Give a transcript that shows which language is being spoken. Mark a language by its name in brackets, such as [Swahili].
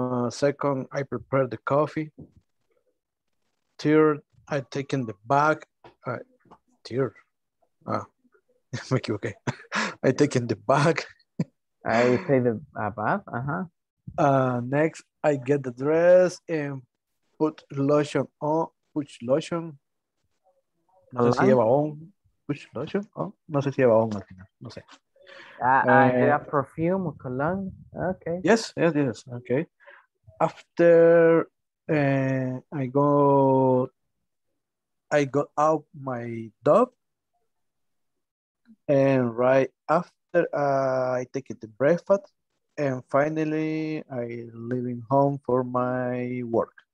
[English] Second, I prepare the coffee. Third, I taken the bag, I taken the bag. I pay the bath, uh-huh. Next, I get the dress and put lotion on, which lotion? [Spanish] No sé si lleva on, [English] which lotion? [Spanish] Oh, no sé si lleva on al final, no sé. [English] I get a perfume or cologne, okay. Yes, okay. After I got out my dog, and right after I take the breakfast, and finally I leaving home for my work.